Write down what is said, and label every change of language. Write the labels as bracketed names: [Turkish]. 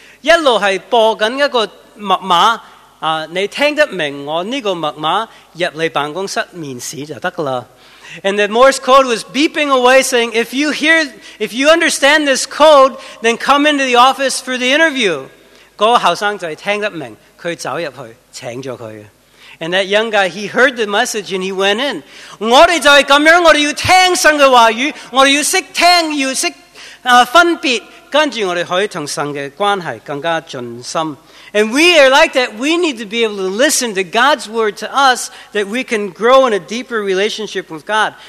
[Cantonese] 一路系播紧一个密码啊！你听得明我呢个密码入嚟办公室面试就得啦。 [English] And the Morse code was beeping away saying, if you understand this code, then come into the office for the interview. [Cantonese] 那个年轻人听得明，他走进去，请了他。 [English] And that young guy, he heard the message and he went in. [Cantonese] 我们就是这样，我们要听神的话语，我们要识听，要识分别，跟着我们可以和神的关系更加尽心。 [English] And we are like that. We need to be able to listen to God's word to us that we can grow in a deeper relationship with God.